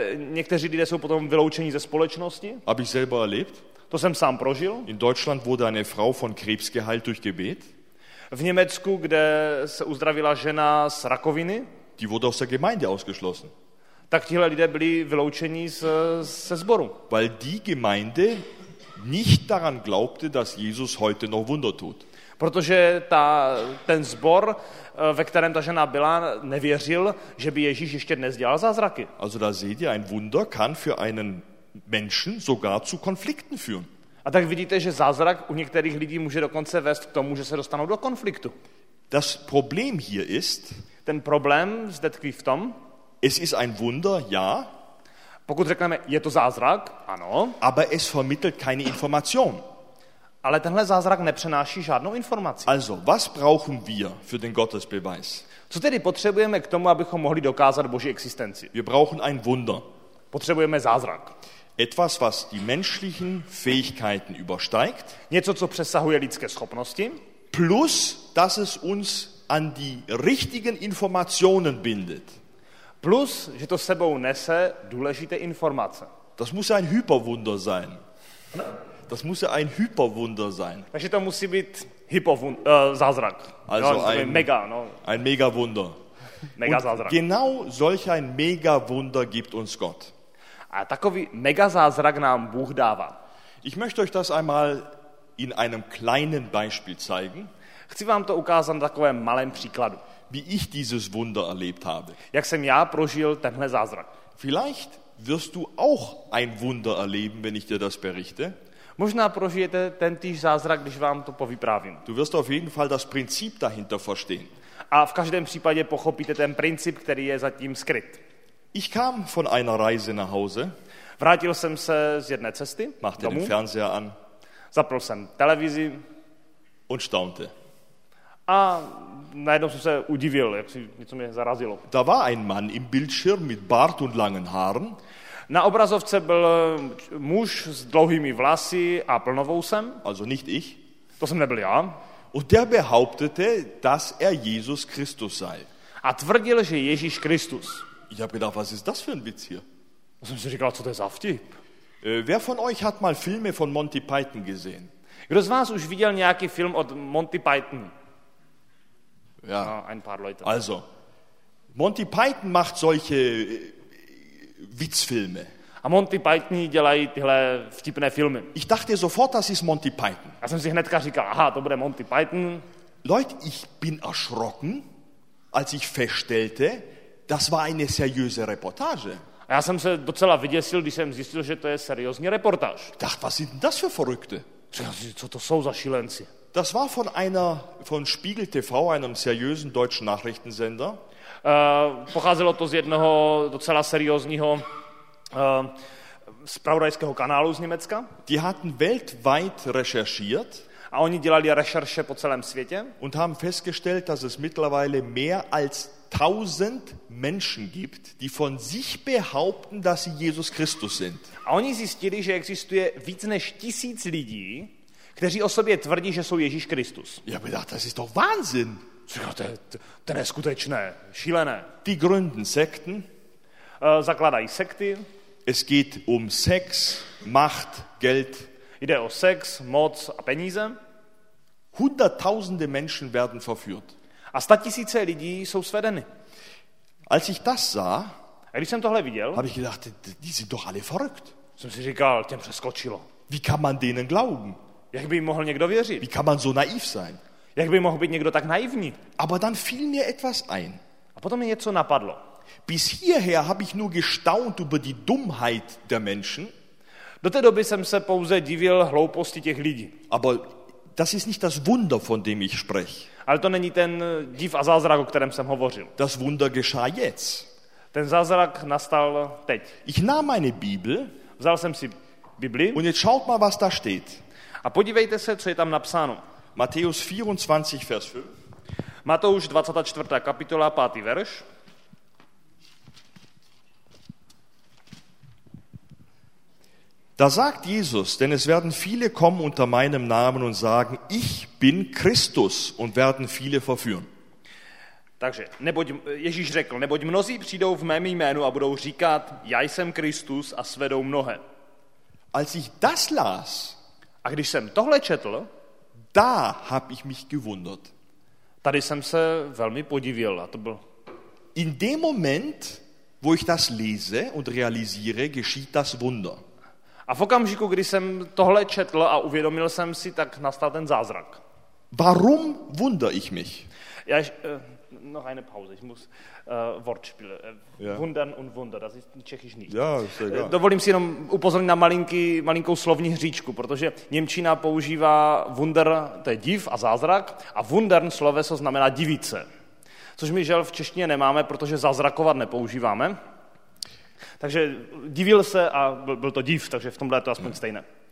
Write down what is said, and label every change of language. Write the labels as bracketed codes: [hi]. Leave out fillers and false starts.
[cs] Někteří lidé jsou potom vyloučeni ze společnosti. [de] Hab ich selber erlebt. [cs] To jsem sám prožil. [de] In Deutschland wurde eine Frau von Krebs geheilt durch Gebet. [cs] V Německu, kde se uzdravila žena z rakoviny. [de] Die wurde aus der Gemeinde ausgeschlossen. [cs] Tak tihle lidé byli vyloučeni ze sboru. [de] Weil die Gemeinde nicht daran glaubte, dass Jesus heute noch Wunder tut. [cs] Protože ten sbor, ve kterém ta žena byla, nevěřil, že by Ježíš ještě dnes dělal zázraky. [de] Also da seht ihr, ein Wunder kann für einen Menschen sogar zu Konflikten führen. [cs] A tak vidíte, že zázrak u některých lidí může dokonce vést k tomu, že se dostanou do konfliktu. [de] Das Problem hier ist, [cs] ten problém zde tkví v tom, [de] es ist ein Wunder, ja. [cs] Pokud řekneme, je to zázrak, ano. [de] Aber es vermittelt keine Information. [cs] Ale tenhle zázrak nepřenáší žádnou informaci. [de] Also, was brauchen wir für den Gottesbeweis? [cs] Co tedy potřebujeme k tomu, abychom mohli dokázat Boží existenci? [de] Wir brauchen ein Wunder. [cs] Potřebujeme zázrak. [de] Etwas, was die menschlichen Fähigkeiten übersteigt. [cs] Něco, co přesahuje lidské schopnosti. [de] Plus, dass es uns an die richtigen Informationen bindet. [cs] Plus, že to sebou nese důležité informace. [de] Das muss ein Hyperwunder sein. Das muss ein Hyperwunder sein. [cs] Takže to musí být zázrak. [de] Also no, ein, [cs] mega, no. [de] Ein Megawunder. [cs] Mega zázrak. [de] Genau solch ein Megawunder gibt uns Gott. [cs] A takový mega zázrak nám Bůh dává. [de] Ich möchte euch das einmal in einem kleinen Beispiel zeigen. [cs] Chci vám to ukázat na takovém malém příkladu. [de] Wie ich dieses Wunder erlebt habe. [cs] Jak jsem já prožil tenhle zázrak. [de] Vielleicht wirst du auch ein Wunder erleben, wenn ich dir das berichte. [cs] Možná prožijete ten týž zázrak, když vám to povyprávím. [de] Du wirst auf jeden Fall das Prinzip dahinter verstehen. [cs] A v každém případě pochopíte ten princip, který je zatím skryt. [de] Ich kam von einer Reise nach Hause. [cs] Vrátil jsem se z jedné cesty domů. [de] Machte den Fernseher an. [cs] Zapnul jsem televizi. [de] Und staunte. [cs] A najednou jsem se udivil, jak si něco mě zarazilo. [de] Da war ein Mann im Bildschirm mit Bart und langen Haaren. [cs] Na obrazovce byl muž s dlouhými vlasy a plnovousem. [de] Also nicht ich. [cs] To jsem nebyl já. [de] Und der behauptete, dass er Jesus Christus sei. [cs] A tvrdil, že Ježíš Kristus. [de] Ich habe gedacht, was ist das für ein Witz hier? Was haben Sie gerade zu der Safti? Wer von euch hat mal Filme von Monty Python gesehen? [cs] Kdo z vás už viděl nějaký film od Monty Python? [de] Ja, no, ein paar Leute. Also, Monty Python macht solche Witzfilme. [cs] A Monty Pythoni dělají tyhle vtipné filmy. [de] Ich dachte sofort, das ist Monty Python. [cs] Já jsem si hnedka říkal, aha, to bude Monty Python. [de] Leute, ich bin erschrocken, als ich feststellte, das war eine seriöse Reportage. [cs] A já jsem se docela vyděsil, když jsem zjistil, že to je seriózní reportáž. [de] Dacht, was sind das für Verrückte? [cs] Co to jsou za šílenci? [de] Das war von einer von Spiegel TV, einem seriösen deutschen Nachrichtensender. [cs] Pocházelo to z jednoho docela seriózního zpravodajského kanálu z Německa. [de] Die hatten weltweit recherchiert. [cs] A oni dělali rešerše po celém světě. [de] Und haben festgestellt, dass es mittlerweile mehr als 1000 Menschen gibt, die von sich behaupten, dass sie Jesus Christus sind. [cs] A oni zjistili, že existuje víc než 1000 lidí, kteří o sobě tvrdí, že jsou Ježíš Kristus. [de] Ja, aber das ist doch Wahnsinn. [cs] Co, to je skutečné, šílené. [de] Die gründen Sekten. [cs] Zakladají sekty. [de] Es geht um Sex, Macht, Geld. [cs] Jde o sex, moc a peníze. [de] Hunderttausende Menschen werden verführt. [cs] A statisíce lidí jsou svedeny. [de] Als ich das sah, [cs] a když jsem tohle viděl, [de] habe ich gedacht, die sind doch alle verrückt. [cs] Jsem si říkal, těm přeskočilo. [de] Wie kann man denen glauben? [cs] Jak by mohl někdo věřit? [de] Wie kann man so naiv sein? [cs] Jak by mohl být někdo tak naivní? [de] Aber dann fiel mir etwas ein. [cs] A potom mi něco napadlo. [de] Bis hierher habe ich nur gestaunt über die Dummheit der Menschen. [cs] Do té doby jsem se pouze divil hlouposti těch lidí. [de] Aber das ist nicht das Wunder, von dem ich spreche. [cs] Ale to není ten div a zázrak, o kterém jsem hovořil. [de] Das Wunder geschah jetzt. [cs] Ten zázrak nastal teď. [de] Ich nahm meine Bibel. [cs] Vzal jsem si Bibli. [de] Und jetzt schaut mal, was da steht. [cs] A podívejte se, co je tam napsáno. [de] Matthäus 24, Vers 5. [cs] Matouš 24. kapitola, 5. verš. [de] Da sagt Jesus, denn es werden viele kommen unter meinem Namen und sagen, ich bin Christus, und werden viele verführen. [cs] Takže, neboť, Ježíš řekl, neboť mnozí přijdou v mém jménu a budou říkat, já jsem Kristus, a svedou mnohé. [de] Als ich das las, [cs] a když jsem tohle četl, [de] da hab ich mich gewundert. [cs] Tady jsem se velmi podivil a to byl [de] In dem Moment, wo ich das lese und realisiere, geschieht das Wunder. [cs] A v okamžiku, kdy jsem tohle četl a uvědomil jsem si, tak nastal ten zázrak. [de] Warum wundere ich mich? Ja, noch eine Pause, ich muss Wortspiel. Wundern und Wunder, das ist tschechisch nicht. Ja, ist egal. [cs] Dovolím si jenom upozornit na malinkou slovní hříčku, protože němčina používá Wunder, to je div a zázrak, a Wundern sloveso znamená divice. Což my žel v češtině nemáme, protože zázrakovat nepoužíváme. Takže divil se a byl to div, takže v tomhle je to aspoň stejné.